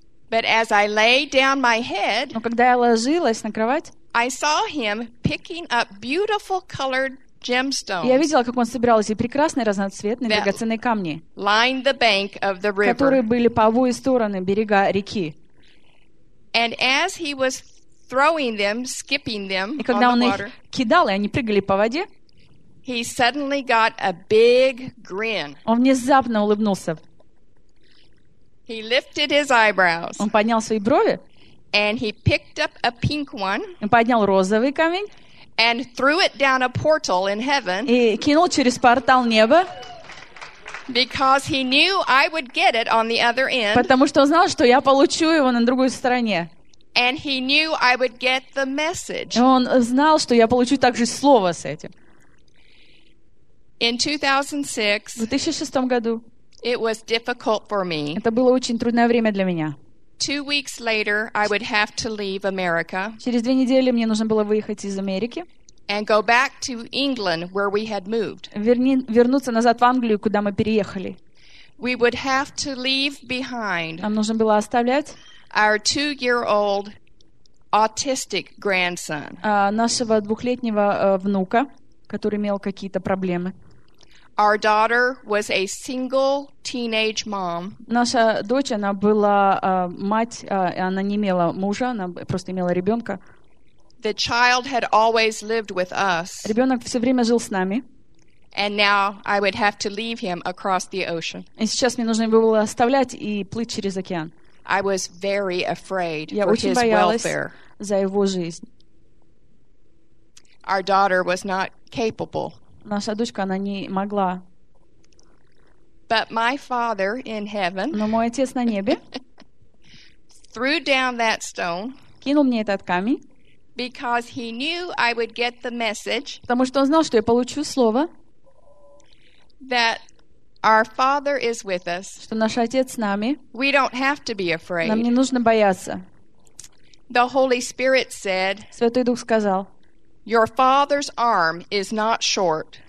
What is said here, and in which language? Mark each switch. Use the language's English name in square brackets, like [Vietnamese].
[English] But as I lay down my head, [Russian] но когда я ложилась на кровать, [English] I saw him picking up beautiful colored gemstones. [Russian] Я видела, как он собирал эти прекрасные разноцветные драгоценные камни, [English] lined the bank of the river, [Russian] которые были по обе стороны берега реки. [English] And as he was throwing them, skipping them, [Russian] и когда [English] on [Russian] он [English] the [Russian] их кидал, и они прыгали по воде, [English] he suddenly got a big grin. [Russian] Он внезапно улыбнулся. [English] He lifted his eyebrows. [Russian] Он поднял свои брови. [English] And he picked up a pink one. [Russian] Он поднял розовый камень. [English] And threw it down a portal in heaven. [Russian] И кинул через портал неба. [English] Because he knew I would get it on the other end. [Russian] Потому что он знал, что я получу его на другой стороне. [English] And he knew I would get the message. [Russian] И он знал, что я получу также слово с этим. [English] In 2006. [Russian] В 2006 году. [English] It was difficult for me. [Russian] Это было очень трудное время для меня. [English] 2 weeks later, I would have to leave America. [Russian] Через 2 недели мне нужно было выехать из Америки. [English] And go back to England, where we had moved. [Russian] Вернуться назад в Англию, куда мы переехали. [English] We would have to leave behind. [Russian] Нам нужно было оставлять [English] our 2-year-old autistic grandson. [Russian] Нашего 2-летнего внука, который имел какие-то проблемы. [English] Our daughter was a single teenage mom. [Russian] Наша дочь, она была мать, она не имела мужа, она просто имела ребенка. [English] The child had always lived with us. [Russian] Ребенок все время жил с нами. [English] And now I would have to leave him across the ocean. [Russian] И сейчас мне нужно было оставлять и плыть через океан. [English] I was very afraid his welfare. [Russian] Я очень боялась за его жизнь. [English] Our daughter was not capable. [Russian] Наша дочка, она не могла. [English] But my father in heaven, [Russian] но мой отец на небе [English] threw down that stone, [Russian] кинул мне этот камень, [English] because he knew I would get the message, [Russian] потому что он знал, что я получу слово, [English] that our father is with us, [Russian] что наш отец с нами, [English] we don't have to be afraid. [Russian] Нам не нужно бояться. [English] The Holy Spirit said, [Russian] Святой Дух сказал, [English] your father's arm is not short.